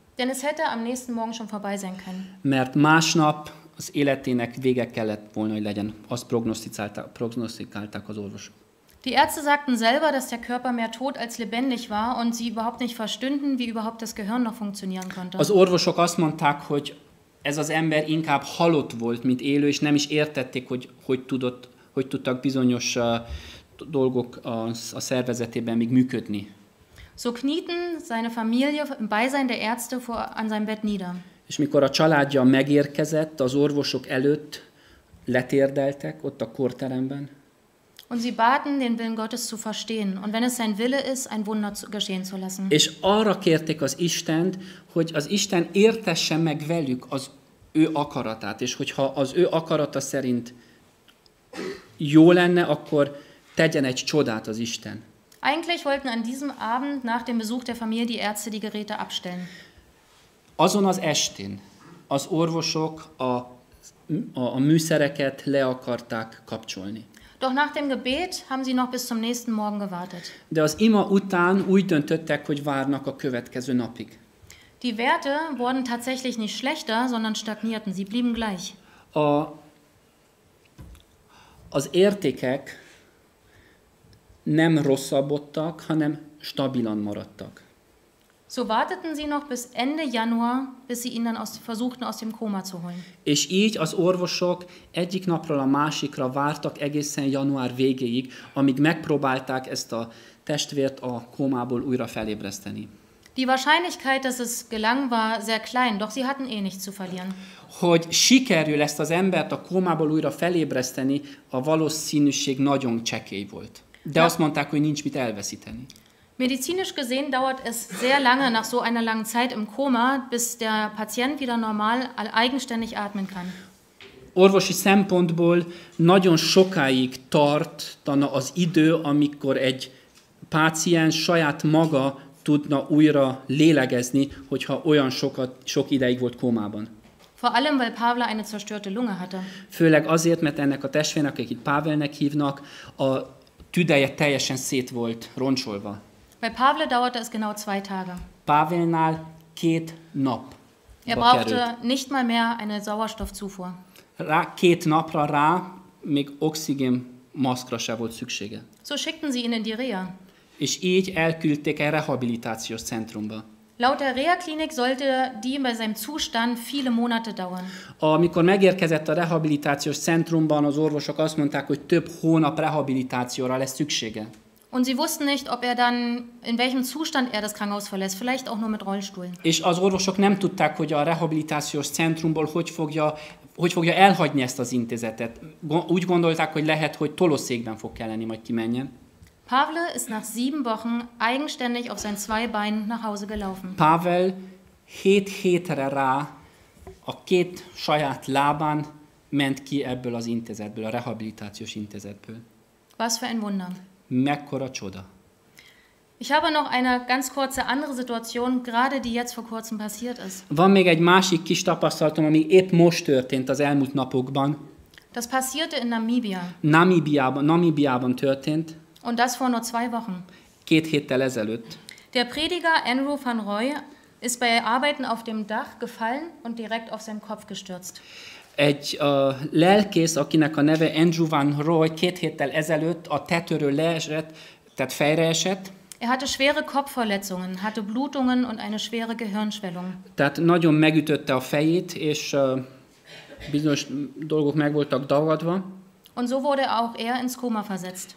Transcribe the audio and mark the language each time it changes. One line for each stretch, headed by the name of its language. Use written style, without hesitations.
German: Denn es hätte am nächsten Morgen schon vorbei sein können.
Hungarian: Mert másnap az életének vége kellett volna, hogy legyen. Azt prognosztikálták az orvosok.
German: Die Ärzte sagten selber, dass der Körper mehr tot als lebendig war und sie überhaupt nicht verstünden, wie überhaupt das Gehirn noch funktionieren konnte.
Hungarian: Az orvosok azt mondták, hogy ez az ember inkább halott volt, mint élő, és nem is értették, hogy tudtak bizonyos dolgok a szervezetében még működni.
German: So knieten seine Familie im Beisein der Ärzte vor an seinem Bett nieder.
Hungarian: És mikor a családja megérkezett, az orvosok előtt letérdeltek ott a kórteremben.
German: Und sie baten, den Willen Gottes zu verstehen und wenn es sein Wille ist, ein Wunder geschehen zu lassen.
Hungarian: És arra kérték az Istent, hogy az Isten értesse meg velük az ő akaratát, és hogyha az ő akarata szerint jó lenne, akkor tegyen egy csodát az Isten.
German: Eigentlich wollten an diesem Abend nach dem Besuch der Familie die Ärzte die Geräte abstellen.
Hungarian: Azon az estén az orvosok a műszereket le akarták kapcsolni.
German: Doch nach dem Gebet haben sie noch bis zum nächsten Morgen gewartet.
Hungarian: De az ima után úgy döntöttek, hogy várnak a következő napig.
German: Die Werte wurden tatsächlich nicht schlechter, sondern stagnierten. Sie blieben gleich.
Hungarian: Az értékek nem rosszabbodtak, hanem stabilan maradtak.
German: So warteten sie noch bis Ende Januar, bis sie ihn dann versuchten aus dem Koma zu holen.
Hungarian: És így az orvosok egyik napról a másikra vártak egészen január végéig, amíg megpróbálták ezt a testvért a kómából újra felébreszteni.
German: Die Wahrscheinlichkeit, dass es gelang, war sehr klein, doch sie hatten eh nichts zu verlieren.
Hungarian: Hogy sikerül ezt az embert a kómából újra felébreszteni, a valószínűség nagyon csekély volt. De ja. Azt mondták, hogy nincs mit elveszíteni.
German: Medizinisch gesehen dauert es sehr lange nach so einer langen Zeit im Koma, bis der Patient wieder normal eigenständig atmen kann.
Hungarian: Orvosi szempontból nagyon sokáig tartana az idő, amikor egy páciens saját maga tudna újra lélegezni, hogyha olyan sok ideig volt kómában.
German: Vor allem, weil Pavla eine zerstörte Lunge hatte.
Hungarian: Főleg azért, mert ennek a testvérnek, akit Pavelnek hívnak, a tüdeje teljesen szét volt, roncsolva.
German: Bei Pavle dauerte es genau 2 Tage.
Hungarian: Pavelnál 2 nap.
German: Er brauchte nicht mal mehr eine Sauerstoffzufuhr.
Hungarian: Rá, 2 napra rá, még oxigénmaszkra se volt szüksége.
German: So schickten sie ihn in die Reha.
Hungarian: És így elküldték a rehabilitációs centrumba.
German: Laut der Reha-Klinik sollte die bei seinem Zustand viele Monate dauern.
Hungarian: Amikor megérkezett a rehabilitációs centrumban, az orvosok azt mondták, hogy több hónap rehabilitációra lesz szüksége.
German: Und sie wussten nicht, ob er dann, in welchem Zustand er das Krankenhaus verlässt, vielleicht auch nur mit Rollstuhl.
Hungarian: És az orvosok nem tudták, hogy a rehabilitációs centrumból hogy fogja elhagyni ezt az intézetet. Úgy gondolták, hogy lehet, hogy tolószékben fog kelleni, majd kimenjen.
German: Pavle ist nach 7 Wochen eigenständig auf seinen 2 Beinen nach Hause gelaufen.
Hungarian: Pavel 7 hétre rá a 2 saját lábán ment ki ebből az intézetből, a rehabilitációs intézetből.
German: Was für ein Wunder.
Hungarian: Mekkora csoda.
German: Ich habe noch eine ganz kurze andere Situation, gerade die jetzt vor kurzem passiert ist.
Hungarian: Van még egy másik kis tapasztalatom, ami épp most történt az elmúlt napokban.
German: Das passierte in Namibia.
Hungarian: Namibiában történt.
German: Und das vor nur 2 Wochen.
Hungarian: 2 héttel ezelőtt.
German: Der Prediger Andrew van Roy ist bei Arbeiten auf dem Dach gefallen und direkt auf seinen Kopf gestürzt.
Hungarian: Egy lelkész, akinek a neve Andrew van Roy, 2 héttel ezelőtt a tetőről leesett, tehát fejre esett.
German: Er hatte schwere Kopfverletzungen, hatte Blutungen und eine schwere Gehirnschwellung.
Hungarian: Tehát nagyon megütötte a fejét, és bizonyos dolgok meg voltak dagadva.
German: Und so wurde auch er ins Koma versetzt.